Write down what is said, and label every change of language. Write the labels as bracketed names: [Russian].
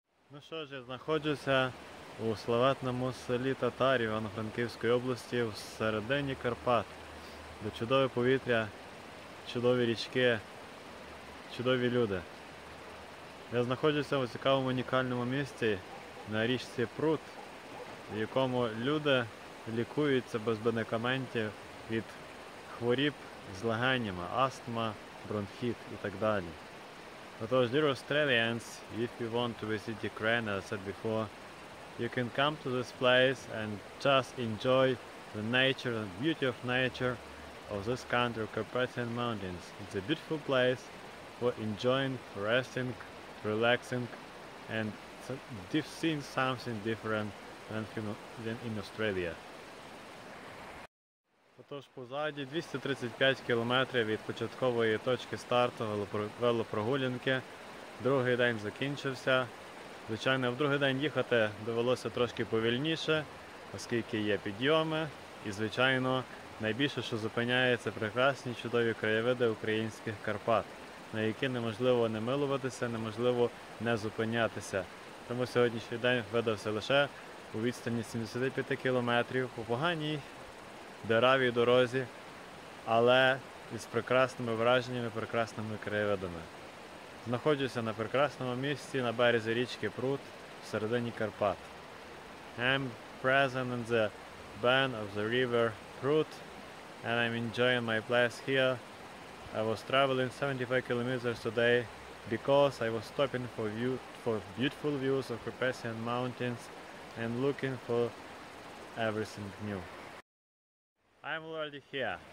[Ukrainian] Ну що ж, я знаходжуся у славетному селі Татарів Івано-Франківської області в середині Карпат, де чудове повітря, чудові річки, чудові люди. Я знаходжуся у цікавому унікальному місці на річці Прут, в якому люди лікуються без медикаментів від хворіб з легенями, астма, бронхіт і так далі. [English] Отож, dear Australians, if you want to visit Ukraine, as I said before, you can come to this place and just enjoy the nature and beauty of nature of this country, Carpathian Mountains. It's a beautiful place for enjoying, for resting, relaxing, and seeing something different than in Australia. [Ukrainian] Отож, позаді 235 кілометрів від початкової точки старту велопрогулянки. Другий день закінчився. Звичайно, в другий день їхати довелося трошки повільніше, оскільки є підйоми. І, звичайно, найбільше, що зупиняється, прекрасні чудові краєвиди українських Карпат, на які неможливо не милуватися, неможливо не зупинятися. Тому сьогоднішній день видався лише у відстані 75 кілометрів по поганій дирявій дорозі, але із прекрасними враженнями, прекрасними краєвидами. Знаходжуся на прекрасному місці на березі річки Прут в середині Карпат. [English] I'm present in the bend of the river Prut and I'm enjoying my place here. I was traveling 75 kilometers today because I was stopping for view for beautiful views of Carpathian mountains and looking for everything new. I'm already here.